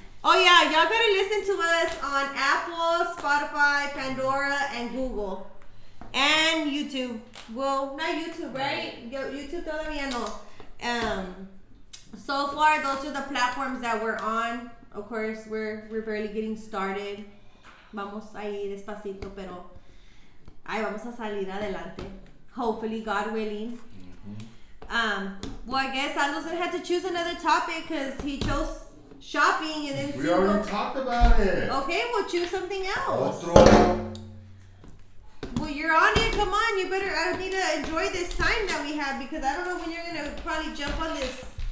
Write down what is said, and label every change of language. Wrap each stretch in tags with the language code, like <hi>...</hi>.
<en>Oh, yeah. Y'all got to listen to us on Apple, Spotify, Pandora, and Google. And YouTube. Well, not YouTube, right? YouTube</en> <es>todavía no.</es> <en>So far, those are the platforms that we're on. Of course, we're barely getting started.</en> <es>Vamos a ir despacito, pero ahí vamos a salir adelante.</es> <en>Hopefully, God willing. Well, I guess Alonso had to choose another topic because he chose shopping and then we already talked about it. Okay, we'll choose something else. Well, you're on it. Come on, you better. I need to enjoy this time that we have because I don't know when you're gonna probably jump on this.</en>